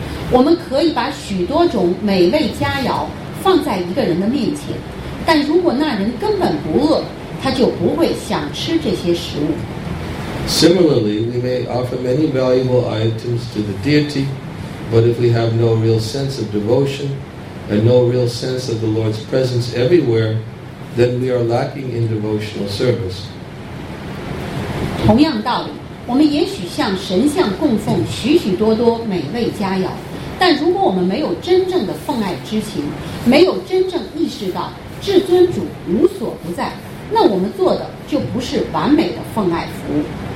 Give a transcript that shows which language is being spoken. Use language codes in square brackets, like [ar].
[zh] 我们可以把许多种美味佳肴放在一个人的面前，但如果那人根本不饿，他就不会想吃这些食物。 [en] Similarly, we may offer many valuable items to the deity, but if we have no real sense of devotion and no real sense of the Lord's presence everywhere, then we are lacking in devotional service. [zh] 同样道理，我们也许向神像供奉许许多多美味佳肴，但如果我们没有真正的奉爱之情，没有真正意识到至尊主无所不在，那我们做的就不是完美的奉爱服务。